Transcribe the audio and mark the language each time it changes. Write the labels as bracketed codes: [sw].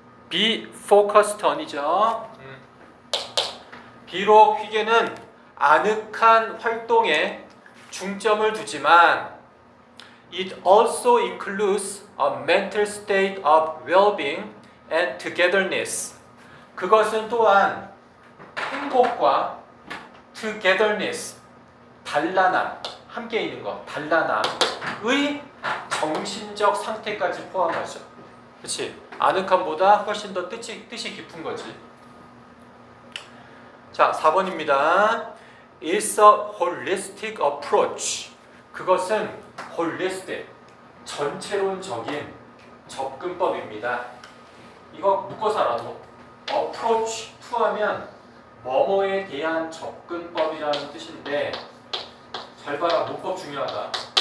[en] be focused on이죠. [ko] 비록 휘계는 아늑한 활동에 중점을 두지만 [en] it also includes a mental state of well-being and togetherness. [ko] 그것은 또한 행복과 togetherness, 단란함, 함께 있는 것, 단란함의 정신적 상태까지 포함하죠. 그렇지? 아늑함보다 훨씬 더 뜻이 깊은 거지. 자, 4번입니다. [en] It's a holistic approach. [ko] 그것은 holistic, 전체론적인 접근법입니다. 이거 묶어서 알아도 approach to 하면 뭐뭐에 대한 접근법이라는 뜻인데 잘 봐라, 문법 중요하다.